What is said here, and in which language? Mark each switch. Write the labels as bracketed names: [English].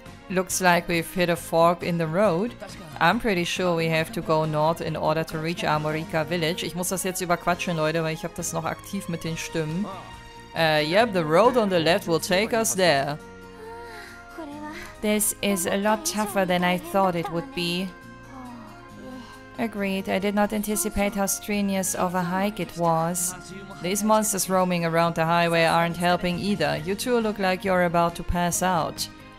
[English] Looks like we've hit a fork in the road. I'm pretty sure we have to go north in order to reach Amorica Village. [German] Ich muss das jetzt überquatschen, Leute, weil ich habe das noch aktiv mit den Stimmen. [English] Yep, the road on the left will take us there. This is a lot tougher than I thought it would be. Agreed, I did not anticipate how strenuous of a hike it was. These monsters roaming around the highway aren't helping either. You two look like you're about to pass out.